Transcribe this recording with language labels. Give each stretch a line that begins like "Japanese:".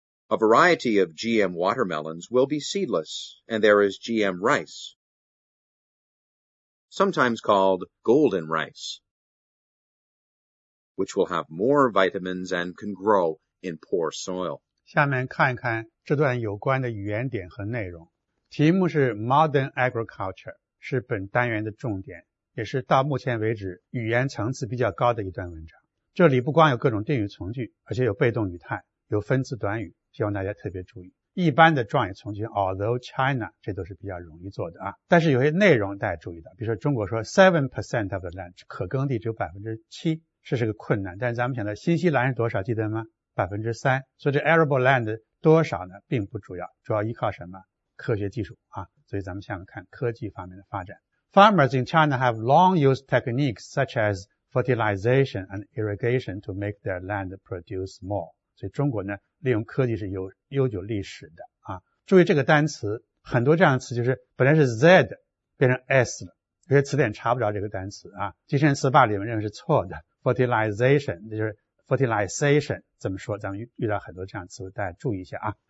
English: A variety of GM watermelons will be seedless, and there is GM rice, sometimes called golden rice, which will have more vitamins and can grow in poor soil.
Chinese: 下面看一看这段有关的语言点和内容。题目是 Modern Agriculture, 是本单元的重点，也是到目前为止语言层次比较高的一段文章。这里不光有各种定语从句，而且有被动语态，有分词短语，希望大家特别注意。一般的状语从句
English: although China,
Chinese: 这都是比较容易做的啊。但是有些内容大家注意的，比如说中国说
English: 7% of the land,
Chinese: 可耕地只有 7%, 这是个困难。但是咱们想到新西兰是多少记得吗？3%, 所以这 arable land 多少呢并不主要，主要依靠什么？科学技术啊，所以咱们想看科技方面的发展。
English: Farmers in China have long used techniques such as fertilization and irrigation to make their land produce more.
Chinese: 所以中国呢，利用科技是有悠久历史的啊。注意这个单词，很多这样的词就是本来是 Z 变成 S 了，有些词典查不着这个单词啊。机器人词霸里面认为是错的 ，fertilization 那就是 fertilization 怎么说？咱们遇到很多这样的词，大家注意一下啊。